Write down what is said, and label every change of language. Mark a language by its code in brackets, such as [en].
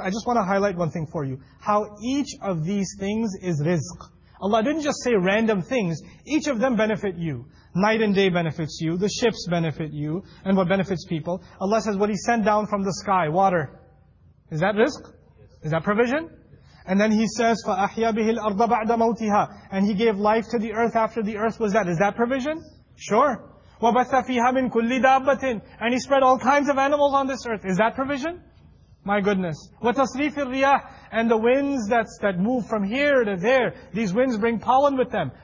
[en] I just want to highlight one thing for you. How each of these things is rizq. Allah didn't just say random things. Each of them benefit you. Night and day benefits you. The ships benefit you. And what benefits people. Allah says what He sent down from the sky, water. Is that rizq? Is that provision? And then He says, [ar] فَأَحْيَا بِهِ الْأَرْضَ بَعْدَ مَوْتِهَا. [en] And He gave life to the earth after the earth was dead. Is that provision? Sure. [ar] وَبَثَّ فِيهَا مِنْ كُلِّ دَابَّةٍ. [en] And He spread all kinds of animals on this earth. Is that provision? My goodness. [ar] وَتَصْرِيفِ الرِّيَاحِ. [en] And the winds that move from here to there, these winds bring pollen with them.